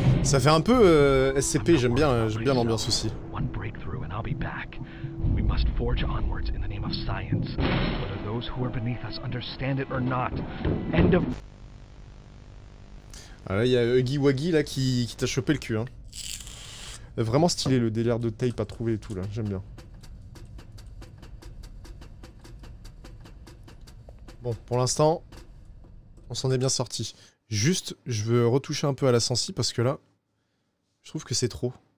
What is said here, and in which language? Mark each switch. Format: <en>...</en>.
<fr>Ça fait un peu SCP, j'aime bien l'ambiance aussi.</fr> <en>One breakthrough and I'll be back. We must forge onwards in the name of science. Whether those who are beneath us understand it or not. End of.</en> <fr>Ah là, il y a Huggy Wuggy là qui t'a chopé le cul, hein. Vraiment stylé le délire de tape à trouver et tout là, j'aime bien. Bon, pour l'instant, on s'en est bien sorti. Juste, je veux retoucher un peu à la sensi parce que là, je trouve que c'est trop.</fr>